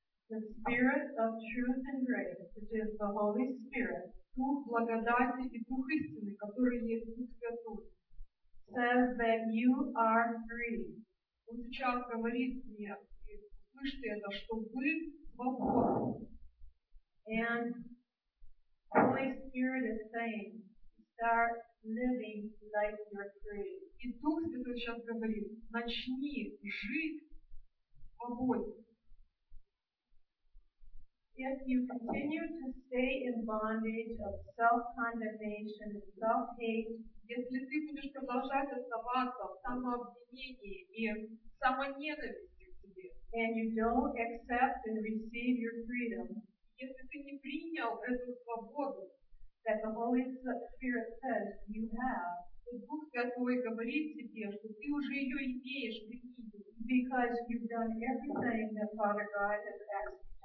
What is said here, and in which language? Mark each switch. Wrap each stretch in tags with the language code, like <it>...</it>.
<en>The Spirit of Truth and Grace, which is the Holy Spirit,</en> <ru>Дух благодати и Дух истины, который есть Дух Святой,</ru> <en>says that you are free.</en> <ru>Он сейчас говорит мне, слышите это, что вы свободны.</ru> <en>And Holy Spirit is saying, start living like you're free.</en> <ru>И Дух Святой сейчас говорит, начни жить свободно.</ru> <en>If you continue to stay in bondage of self-condemnation and self-hate,</en> <ru>если ты будешь продолжать оставаться в самообвинении и самоненависти к себе,</ru> <en>and you don't accept and receive your freedom,</en> <ru>если ты не принял эту свободу,</ru> <en>that the Holy Spirit says you have,</en> <ru>то Дух Святой говорит тебе, что ты уже ее имеешь, принял,</ru> <en>because you've done everything that Father God has asked.</en>